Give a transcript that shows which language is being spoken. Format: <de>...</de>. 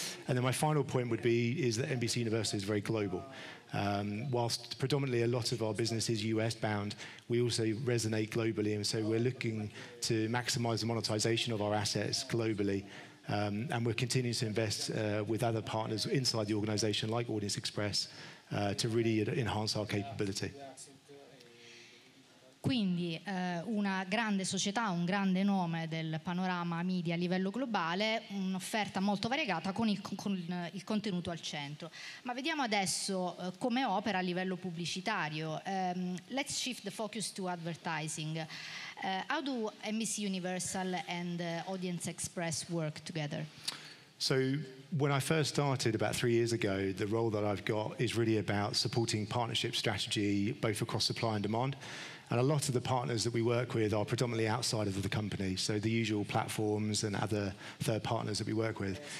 <en>And then my final point would be is that NBCUniversal is very global. Whilst predominantly a lot of our business is US bound, we also resonate globally, and so we're looking to maximize the monetization of our assets globally. And we're continuing to invest with other partners inside the organization like Audience Express to really enhance our capability.</en> <it>Quindi una grande società, un grande nome del panorama media a livello globale, un'offerta molto variegata con il contenuto al centro. Ma vediamo adesso come opera a livello pubblicitario.</it> <en>Let's shift the focus to advertising. How do NBCUniversal and Audience Express work together? So when I first started about 3 years ago, the role that I've got is really about supporting partnership strategy, both across supply and demand. And a lot of the partners that we work with are predominantly outside of the company, so the usual platforms and other third partners that we work with.</en>